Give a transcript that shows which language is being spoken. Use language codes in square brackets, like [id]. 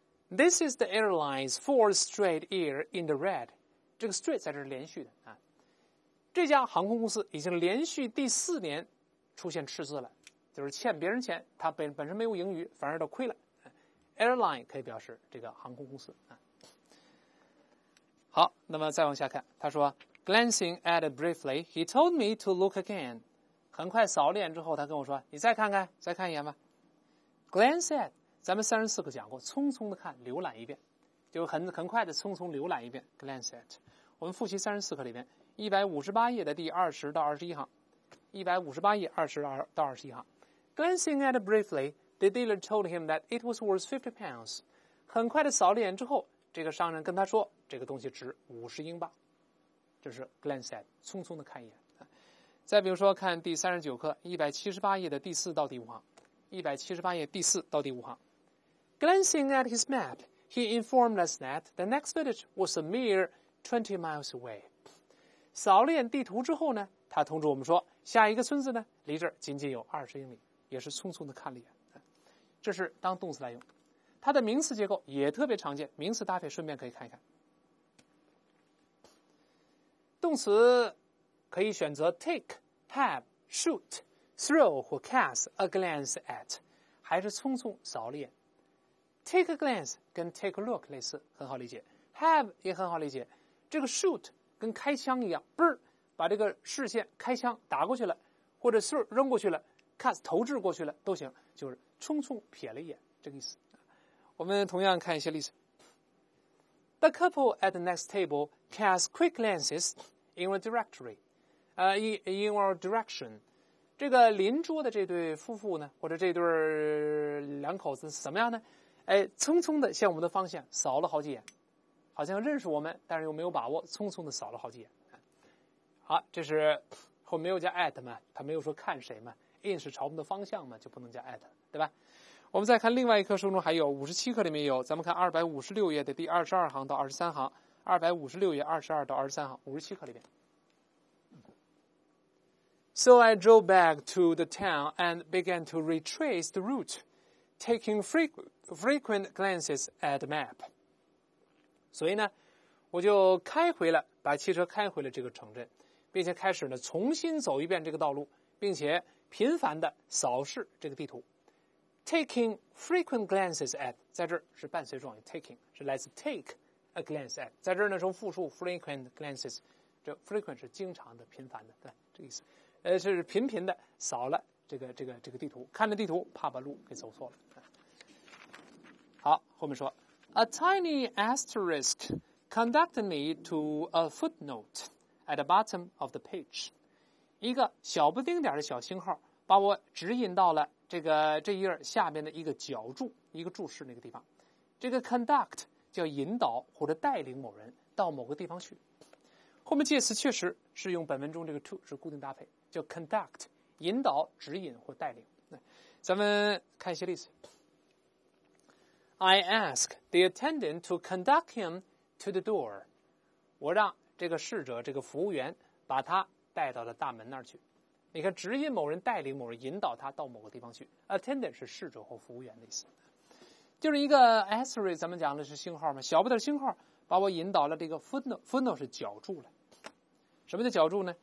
[en] This is the airline's fourth straight year in the red. [zh] 这个 straight 在这是连续的啊。这家航空公司已经连续第四年出现赤字了。就是欠别人钱，他本身没有盈余，反而都亏了。 Airline 可以表示这个航空公司。好，那么再往下看，他说 [en] glancing at it briefly, he told me to look again. [zh] 很快扫了眼之后，他跟我说，你再看看，再看一眼吧。glance at, 咱们34课讲过，匆匆的看，浏览一遍，就很快的匆匆浏览一遍 glance at。我们复习34课里面158页的第20到21行，158页20到21行。 [en] Glancing at it briefly, the dealer told him that it was worth £50. [zh] 很快的扫了眼之后，这个商人跟他说，这个东西值50英镑。这是 glance at, 匆匆的看一眼。再比如说看第39课178页的第4到第5行。 178页第4到第5行。 [en] Glancing at his map, he informed us that the next village was a mere 20 miles away. [zh] 扫了眼地图之后呢，他通知我们说，下一个村子呢，离这儿仅仅有20英里。也是匆匆的看了眼，这是当动词来用。它的名词结构也特别常见，名词搭配顺便可以看一看。动词可以选择 take, have, shoot, throw 或 cast a glance at， 还是匆匆扫了眼。 take a glance 跟 take a look 类似，很好理解。have 也很好理解，这个 shoot 跟开枪一样，把这个视线开枪打过去了，或者 throw 扔过去了，cast 投掷过去了都行，就是匆匆瞥了一眼，这个意思。我们同样看一些例子。 [en] The couple at the next table cast quick glances in our directory, in our direction. [zh] 这个邻桌的这对夫妇呢，或者这对两口子是什么样呢？匆匆的向我们的方向扫了好几眼，好像认识我们，但是又没有把握，匆匆的扫了好几眼。好，这是后面没有加 at 嘛，他没有说看谁嘛。 in 是朝我们的方向嘛，就不能加 at， 对吧？我们再看另外一课书中还有57课里面有，咱们看256页的第22行到23行，256页22到23行，57课里面。 [en] So I drove back to the town and began to retrace the route, taking frequent glances at the map. [zh] 所以呢，我就开回了，把汽车开回了这个城镇，并且开始呢重新走一遍这个道路，并且频繁的扫视这个地图。 [en] Taking frequent glances at， [zh] 在这儿是伴随状语 ，taking 是来自 take a glance at， 在这儿呢是用复数 frequent glances， 这 frequent 是经常的、频繁的，对，这个意思。是频频的扫了这个地图，看了地图怕把路给走错了。好，后面说 [en] ，A tiny asterisk conducted me to a footnote at the bottom of the page， [zh] 一个小不丁点的小星号把我指引到了。这一页下边的一个脚注，一个注释那个地方，这个 conduct 叫引导或者带领某人到某个地方去。后面介词确实是用本文中这个 to 是固定搭配，叫 conduct 引导、指引或带领。咱们看一些例子。 [en] I ask the attendant to conduct him to the door. [zh] 我让这个侍者，这个服务员把他带到了大门那儿去。你看，指引某人、带领某人、引导他到某个地方去。Attendant 是侍者或服务员的意思，就是一个 asterisk， 咱们讲的是星号嘛，小不点星号把我引导了这个 footnote 是脚注了。什么叫脚注呢？